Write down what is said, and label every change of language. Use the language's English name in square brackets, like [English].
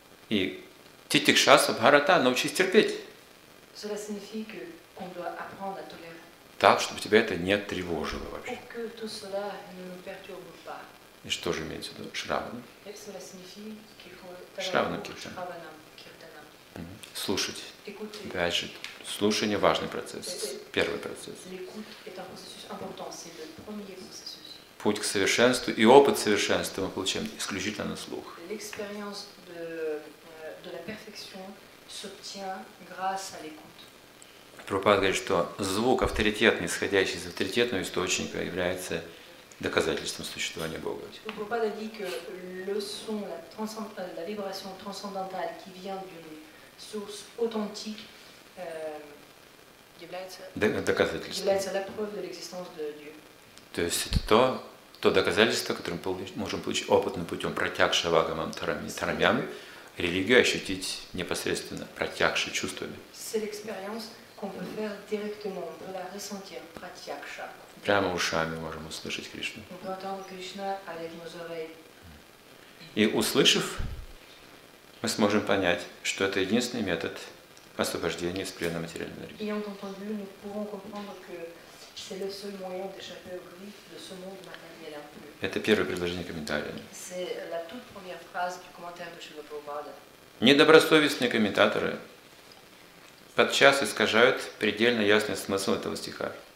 [Russian] И титикшаса бхарата, научись терпеть. [French] Cela signifie que on doit apprendre à tolérer. [Russian] Так, чтобы тебя это не тревожило вообще. [French] Et que tout cela ne nous perturbe pas. [Russian] И что же имеется в виду? Шравана. [French] Cela signifie qu'il faut [Russian] Шравана киртана. Слушать. Дальше. Слушание важный процесс. Первый процесс. [French] L'écoute est un processus important. C'est le premier processus. [Russian] Путь к совершенству и опыт совершенства мы получаем исключительно на слух. [French] L'expérience de la perfection s'obtient grâce à l'écoute. [Russian] Прабхупада говорит, что звук авторитетный, исходящий из авторитетного источника, является доказательством существования Бога. [French] Прабхупада dit que le son, la vibration transcendantale qui vient d'une source authentique [Russian] является [French] la preuve de l'existence de Dieu. [Russian] То есть это то доказательство, которое мы можем получить опытным путем протягши вагамам тарамям, религию ощутить непосредственно протягши чувствами. [French] C'est l'expérience qu'on peut faire directement, on peut la ressentir, pratyaksha. [Russian] Прямо ушами можем услышать Кришну. [French] On peut entendre Krishna avec nos oreilles. [Russian] И услышав, мы сможем понять, что это единственный метод освобождения из плена материальной энергии. И [French] en entendu, nous pouvons comprendre que c'est le seul moyen d'échapper au grief de ce monde matériel. [Russian] Это первое предложение комментария. [French] C'est la toute première phrase du commentaire de Srila Prabhupada. [Russian] Недобросовестные комментаторы подчас искажают предельно ясный смысл этого стиха.